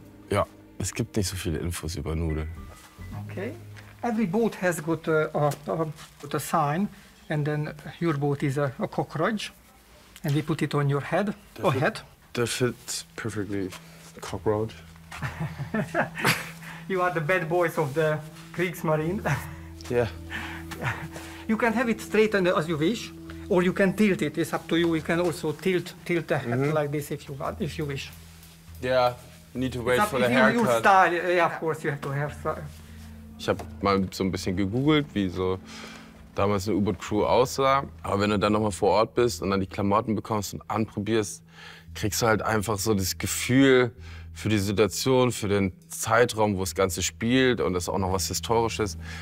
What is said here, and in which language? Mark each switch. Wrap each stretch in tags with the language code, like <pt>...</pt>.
<de>Ja, es gibt nicht so viele Infos über Nudeln.</de> <en>Okay, every boat has got a sign, and then your boat is a cockroach, and we put it on your head. Or head. That fits perfectly, cockroach. You are the bad boys of the Kriegsmarine. Yeah. You can have it straightened as you wish, or you can tilt it. It's up to you. You can also tilt the hat like this if you wish. Yeah, need to wait for the haircut. Your style. Yeah, of course you have to have style.</en> <de>Ich habe mal so ein bisschen gegoogelt, wie so damals eine U-Boot-Crew aussah. Aber wenn du dann nochmal vor Ort bist und dann die Klamotten bekommst und anprobierst, kriegst du halt einfach so das Gefühl für die Situation, für den Zeitraum, wo das Ganze spielt und das auch noch was Historisches.</de>